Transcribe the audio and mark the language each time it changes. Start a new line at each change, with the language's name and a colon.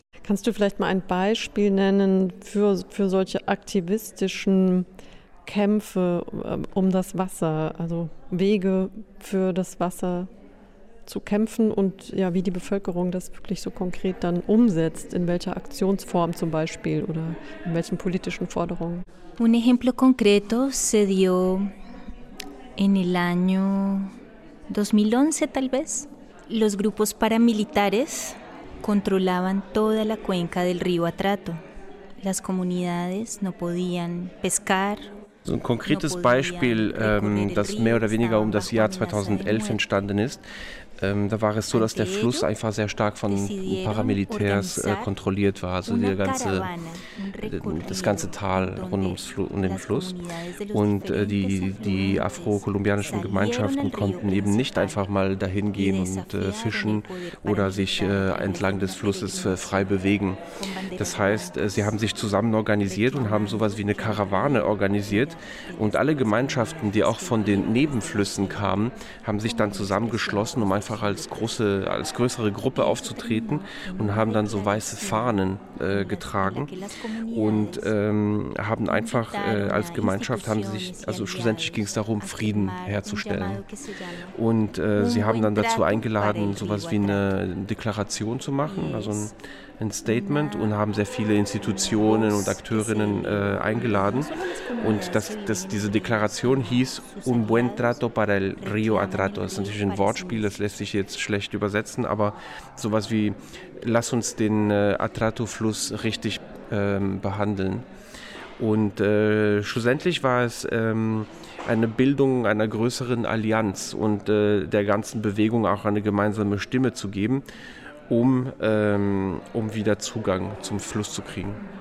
German: Kannst du vielleicht mal ein Beispiel nennen für solche aktivistischen Kämpfe um das Wasser, also Wege für das Wasser zu kämpfen und ja, wie die Bevölkerung das wirklich so konkret dann umsetzt, in welcher Aktionsform zum Beispiel oder in welchen politischen Forderungen?
Spanish: Un ejemplo concreto se dio en el año 2011, tal vez. Los grupos paramilitares controlaban toda la cuenca del río Atrato. Las comunidades no podían pescar.
German: So ein konkretes Beispiel, das mehr oder weniger um das Jahr 2011 entstanden ist. Da war es so, dass der Fluss einfach sehr stark von Paramilitärs kontrolliert war, also der ganze, das ganze Tal rund um den Fluss. Und die afro-kolumbianischen Gemeinschaften konnten eben nicht einfach mal dahin gehen und fischen oder sich entlang des Flusses frei bewegen. Das heißt, sie haben sich zusammen organisiert und haben sowas wie eine Karawane organisiert. Und alle Gemeinschaften, die auch von den Nebenflüssen kamen, haben sich dann zusammengeschlossen, um einfach als größere Gruppe aufzutreten und haben dann so weiße Fahnen getragen und haben einfach als Gemeinschaft haben sich, also schlussendlich ging es darum, Frieden herzustellen. Und sie haben dann dazu eingeladen, sowas wie eine Deklaration zu machen, also ein Statement, und haben sehr viele Institutionen und Akteurinnen eingeladen. Und diese Deklaration hieß Un buen trato para el río Atrato. Das ist natürlich ein Wortspiel, das lässt sich jetzt schlecht übersetzen, aber sowas wie lass uns den Atrato-Fluss richtig behandeln. Und schlussendlich war es eine Bildung einer größeren Allianz und der ganzen Bewegung auch eine gemeinsame Stimme zu geben, um wieder Zugang zum Fluss zu kriegen.